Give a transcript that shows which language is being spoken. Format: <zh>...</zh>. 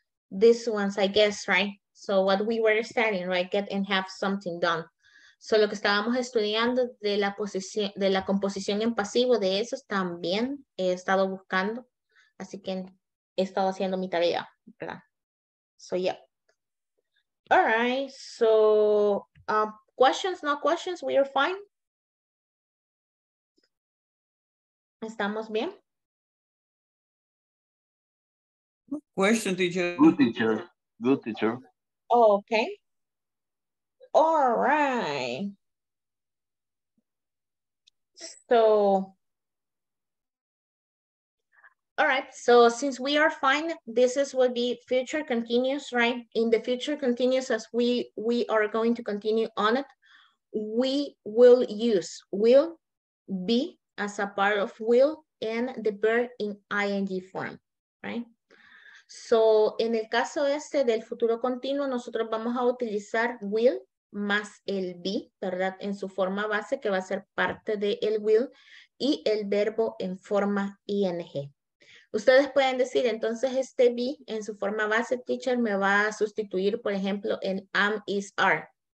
<en>These ones, I guess, right? So what we were studying, right? Get and have something done.</en> <es>solo que estábamos estudiando de la posición, de la composición en pasivo de esos, también he estado buscando, así que he estado haciendo mi tarea, ¿verdad?</es> <en>So yeah. All right, so questions, no questions, we are fine.</en> <es>¿Estamos bien?</es> <en>Question, teacher. Good teacher. Good teacher. Okay. All right. So, all right. So, since we are fine, this is will be future continuous, right? In the future continuous, as we are going to continue on it, we will use will be as a part of will and the verb in ing form, right?</en> <es>So, en el caso este del futuro continuo, nosotros vamos a utilizar will más el be, ¿verdad? En su forma base, que va a ser parte del will, y el verbo en forma ing. Ustedes pueden decir, entonces, este be en su forma base, teacher, me va a sustituir, por ejemplo, en am, is, are.</es>